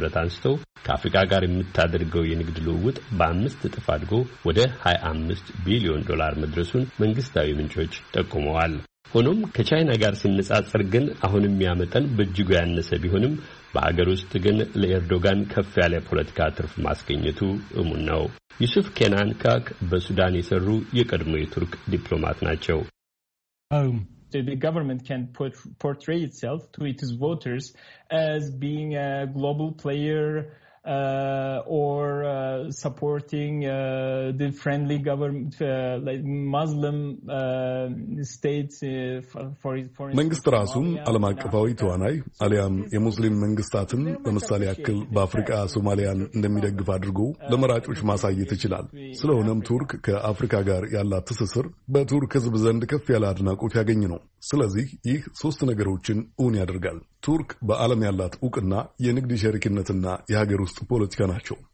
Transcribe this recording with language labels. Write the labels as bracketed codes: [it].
[am] አንስቶ ከአፍሪካ ጋር የምታደርገው የንግድ ልውውጥ በአምስት እጥፍ አድጎ ወደ 25 ቢሊዮን ዶላር መድረሱን መንግስታዊ ምንጮች ጠቁመዋል። ሆኖም ከቻይና ጋር ሲነጻጸር ግን አሁንም ያመጠን በእጅጉ ያነሰ ቢሆንም በሀገር ውስጥ ግን ለኤርዶጋን ከፍ ያለ ፖለቲካ ትርፍ ማስገኘቱ እሙን ነው። ዩሱፍ ኬናን ካክ በሱዳን የሰሩ የቀድሞ የቱርክ ዲፕሎማት ናቸው። [en] The government can portray itself to its voters as being a global player or supporting the friendly government like Muslim states for [am] መንግስት ራሱን ዓለም አቀፋዊ ተዋናይ አሊያም የሙስሊም መንግስታትን ለምሳሌ አክል በአፍሪካ ሶማሊያን እንደሚደግፍ አድርጎ ለመራጮች ማሳየት ይችላል። ስለሆነም ቱርክ ከአፍሪካ ጋር ያላት ትስስር በቱርክ ህዝብ ዘንድ ከፍ ያለ አድናቆት ያገኘ ነው። ስለዚህ ይህ ሶስት ነገሮችን እውን ያደርጋል። ቱርክ በዓለም ያላት ዕውቅና የንግድ ሸሪክነትና የሀገር ውስጥ ፖለቲካ ናቸው።